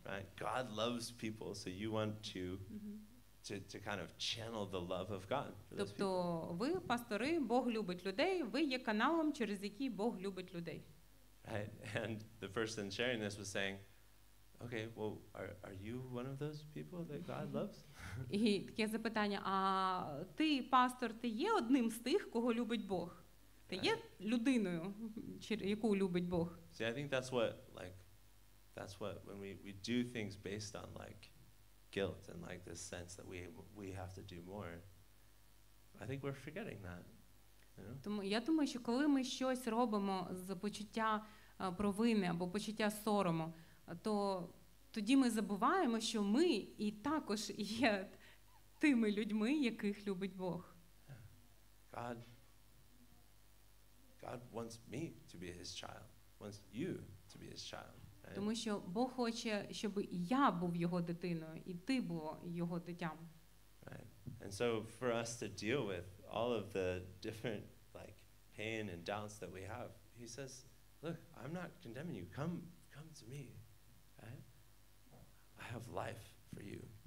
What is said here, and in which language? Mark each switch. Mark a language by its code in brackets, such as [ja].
[en] Right. God loves people, so you want to, to kind of channel the love of God. [uk] Тобто ви, пастори, Бог любить людей, ви є каналом, через який Бог любить людей. [en] Right. And the person sharing this was saying, okay, well, are you one of those people that God loves? [uk] І таке запитання, а ти, пастор, ти є одним з тих, кого любить Бог? Ти є людиною, яку любить Бог? [en] See, I think that's what, like, that's what, when we do things based on, like, guilt and, like, this sense that we have to do more, I think we're forgetting that, you know? [uk] Тому я думаю, що коли ми щось робимо з почуття провини або почуття сорому, то тоді ми забуваємо, що ми і також є тими людьми, яких любить Бог. [en] God wants me to be his child. Wants you to be his child. Right? [uk] Тому що Бог хоче, щоб я був його дитиною і ти був його дитям. [en] Right. And so for us to deal with all of the different like pain and doubts that we have, he says, look, I'm not condemning you. Come to me. Right? I have life for you.